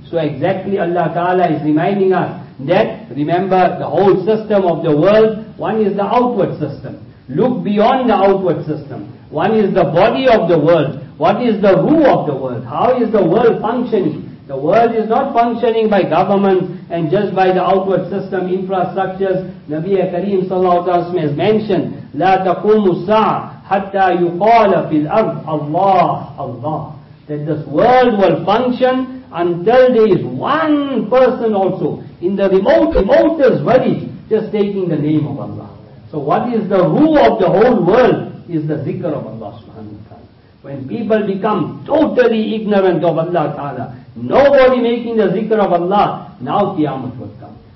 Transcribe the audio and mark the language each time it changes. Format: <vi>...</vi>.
<en>So exactly Allah ta'ala is reminding us that, remember, the whole system of the world, one is the outward system. Look beyond the outward system. One is the body of the world. What is the rule of the world? How is the world functioning? The world is not functioning by governments and just by the outward system, infrastructures. Nabi Kareem sallallahu alaihi wasallam has mentioned,</en> <ar>لَا تَقُومُ السَّاعَةُ حَتَّى يُقَالَ فِي الْأَرْضِ اللَّهُ اللَّهُ</ar> <en>that this world will function until there is one person also in the remotest village just taking the name of Allah. So what is the root of the whole world is the zikr of Allah subhanahu wa ta'ala. When people become totally ignorant of Allah ta'ala, nobody making the zikr of Allah, now Qiyamah will come.</en>